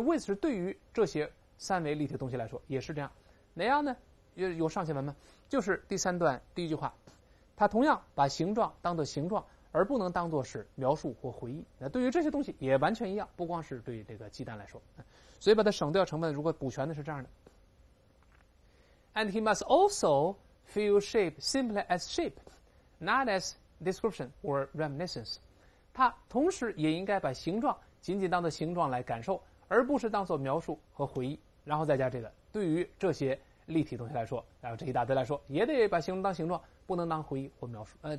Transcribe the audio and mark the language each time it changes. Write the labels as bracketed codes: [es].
[zh] 为此对于这些三维立体的东西来说也是这样。哪样呢？有上下文吗？就是第三段第一句话，它同样把形状当作形状，而不能当作是描述或回忆。那对于这些东西也完全一样，不光是对这个鸡蛋来说。所以把它省掉成分，如果补全的是这样的。 [en] And he must also feel shape simply as shape, not as description or reminiscence. [zh] 他同时也应该把形状仅仅当作形状来感受，而不是当作描述和回忆。然后再加这个，对于这些立体东西来说，然后这一大堆来说，也得把形状当形状，不能当回忆或描述。